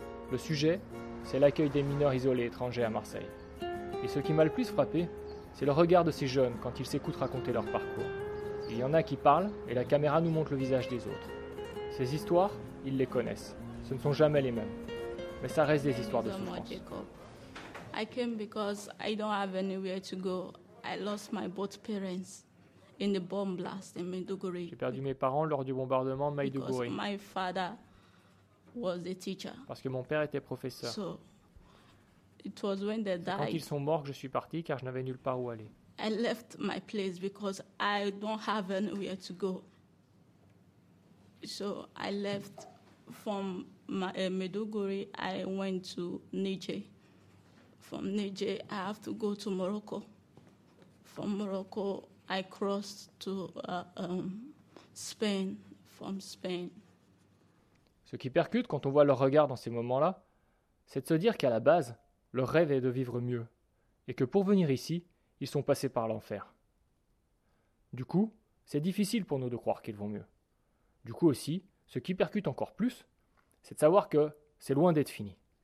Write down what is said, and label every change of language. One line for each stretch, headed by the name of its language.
French: Le sujet, c'est l'accueil des mineurs isolés étrangers à Marseille. Et ce qui m'a le plus frappé, c'est le regard de ces jeunes quand ils s'écoutent raconter leur parcours. Il y en a qui parlent et la caméra nous montre le visage des autres. Ces histoires, ils les connaissent. Ce ne sont jamais les mêmes, mais ça reste des histoires de souffrance.
English: I came because I don't have anywhere to go. I lost my both parents in the bomb blast in Maiduguri.
French: J'ai perdu mes parents lors du bombardement Maiduguri.
English: Because my father was a teacher.
French: Parce que mon père était professeur.
English: So it was when they died.
French: C'est quand ils sont morts que je suis parti car je n'avais nulle part où aller.
English: I left my place because I don't have anywhere to go. So I left. From Maiduguri, I went to Niger. From Niger, I have to go to Morocco. from Morocco, I crossed to Spain, from Spain.
French: Ce qui percute quand on voit leur regard dans ces moments-là, c'est de se dire qu'à la base, leur rêve est de vivre mieux, et que pour venir ici, ils sont passés par l'enfer. Du coup, c'est difficile pour nous de croire qu'ils vont mieux. Du coup aussi, ce qui percute encore plus, c'est de savoir que c'est loin d'être fini.